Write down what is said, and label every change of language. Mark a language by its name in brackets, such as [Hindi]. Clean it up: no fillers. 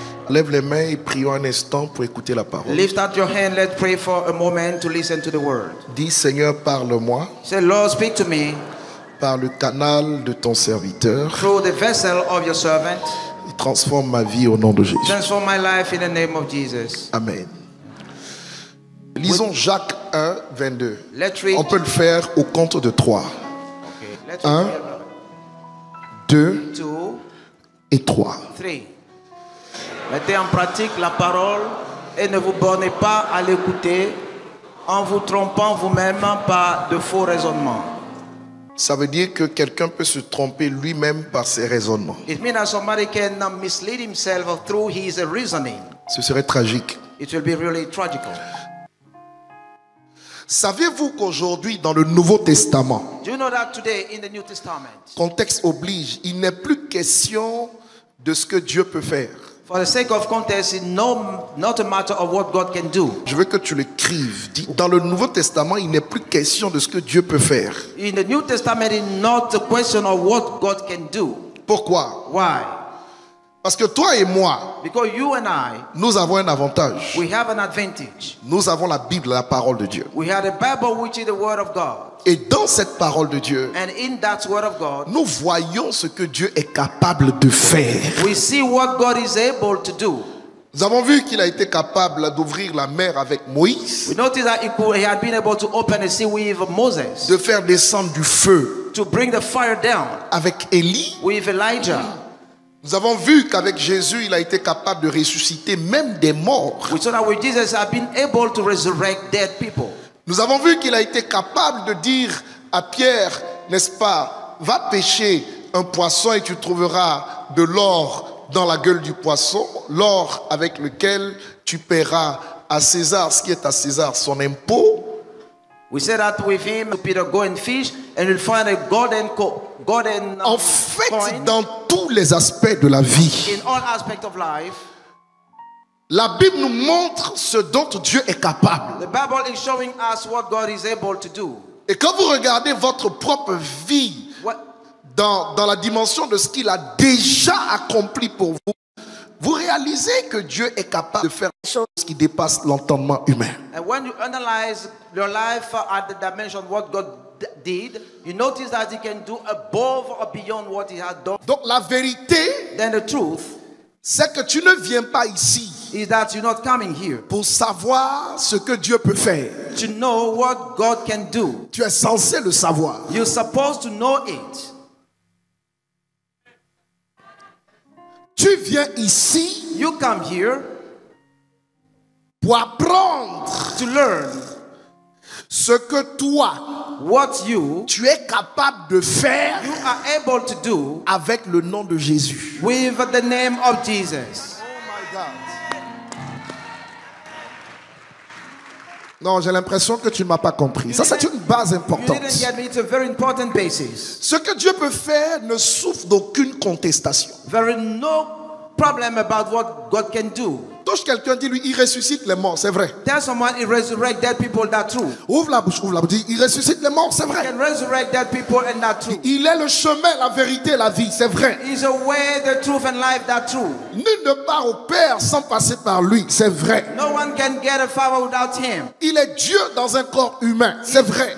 [French] Lève les mains et prions un instant pour écouter la parole. [English] Lift up your hand, let's pray for a moment to listen to the word. [French] Dis Seigneur, parle-moi. [English] Say Lord, speak to me. [French] Par le canal de ton serviteur. [English] Through the vessel of your servant. [French] Transforme ma vie au nom de Jésus. [English] Transform my life in the name of Jesus. [French] Amen. Lisons Jacques 1, 22. [English] Let's read. [French] On peut le faire au compte de 3. 1, 2 et 3. Mettez en pratique la parole et ne vous bornez pas à l'écouter en vous trompant vous-même par de faux raisonnements. Ça veut dire que quelqu'un peut se tromper lui-même par ses raisonnements. [English] It means that somebody can mislead himself through his reasoning. [French] Ce serait tragique. [English] It will be really tragical. [French] Saviez-vous qu'aujourd'hui, dans le Nouveau Testament, [English] do you know that today in the New Testament, [French] contexte oblige, il n'est plus question de ce que Dieu peut faire. [English] For the sake of context, it's not a matter of what God can do. [French] Je veux que tu l'écrives. Dis, dans le Nouveau Testament, il n'est plus question de ce que Dieu peut faire. [English] In the New Testament, it's not a question of what God can do. [French] Pourquoi? [English] Why? [French] Parce que toi et moi, [English] because you and I, [French] nous avons un avantage. [English] We have an advantage. [French] Nous avons la Bible, la parole de Dieu. [English] We have the Bible, which is the word of God. [French] Et dans cette parole de Dieu, [English] and in that word of God, [French] nous voyons ce que Dieu est capable de faire. [English] We see what God is able to do. [French] Nous avons vu qu'il a été capable d'ouvrir la mer avec Moïse. [English] We noticed that he had been able to open the sea with Moses. [French] De faire descendre du feu. [English] To bring the fire down. [French] Avec Élie. [English] With Elijah. [French] Nous avons vu qu'avec Jésus, il a été capable de ressusciter même des morts. [English] We saw that with Jesus, he had been able to resurrect dead people. [French] Nous avons vu qu'il a été capable de dire à Pierre, n'est-ce pas, va pêcher un poisson et tu trouveras de l'or dans la gueule du poisson, l'or avec lequel tu paieras à César ce qui est à César, son impôt. [English] We said that with him, Peter, go and fish and you'll find a golden coin. [French] En fait, dans tous les aspects de la vie, [English] in all aspects of life, [French] la Bible nous montre ce dont Dieu est capable. [English] The Bible is showing us what God is able to do. [French] Et quand vous regardez votre propre vie dans la dimension de ce qu'il a déjà accompli pour vous, vous réalisez que Dieu est capable de faire des choses qui dépassent l'entendement humain. [English] And when you analyze your life at the dimension of what God did, you notice that he can do above or beyond what he had done. [French] Donc la vérité, [English] then the truth, [French] c'est que tu ne viens pas ici [English] is that you're not coming here [French] pour savoir ce que Dieu peut faire. [English] To know what God can do. [French] Tu es censé le savoir. [English] You're supposed to know it. [French] Tu viens ici, [English] you come here, [French] pour apprendre, [English] to learn, [French] ce que toi, [English] what you, [French] tu es capable de faire, [English] you are able to do, [French] avec le nom de Jésus. [English] With the name of Jesus. [French] Non, j'ai l'impression que tu ne m'as pas compris. Ça, c'est une base importante. [English] You didn't get me. It's a very important basis. [French] Ce que Dieu peut faire ne souffre d'aucune contestation. [English] There is no problem about what God can do. [French] Touche quelqu'un, dis-lui, il ressuscite les morts, c'est vrai. [English] Tell someone he resurrects dead people, that's true. [French] Ouvre la bouche, dis, il ressuscite les morts, c'est vrai. [English] He can resurrect dead people, and that's true. [French] Il est le chemin, la vérité, la vie, c'est vrai. [English] He's a way, the truth, and life, that's true. [French] Nul ne part au Père sans passer par lui, c'est vrai. [English] No one can get a father without him. [French] Il est Dieu dans un corps humain, c'est vrai.